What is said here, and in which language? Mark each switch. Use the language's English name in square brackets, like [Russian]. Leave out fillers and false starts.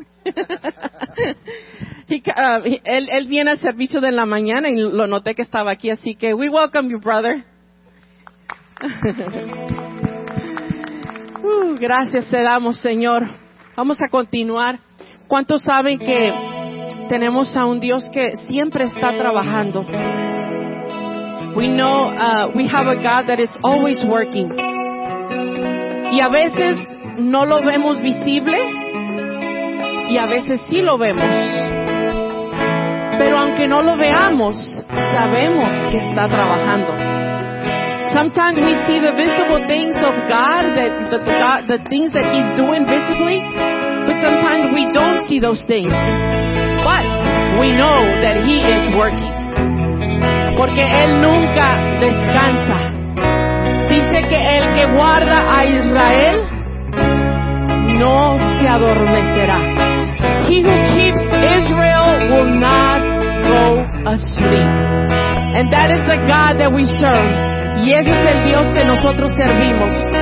[Spanish] él viene al servicio de la mañana y lo noté que estaba aquí. Así que [English] we welcome you, brother. [Spanish] gracias te damos, Señor. Vamos a continuar. ¿Cuántos saben que tenemos a un Dios que siempre está trabajando? [English] We know we have a God that is always working. [Spanish] Y a veces no lo vemos visible, y a veces sí lo vemos. Pero aunque no lo veamos, sabemos que está trabajando. [English] Sometimes we see the visible things of God, the things that He's doing visibly, but sometimes we don't see those things. But we know that He is working. [Spanish] Porque Él nunca descansa. Dice que el que guarda a Israel no se adormecerá. [English] He who keeps Israel will not go asleep. And that is the God that we serve. [Spanish] Y ese es el Dios que nosotros servimos.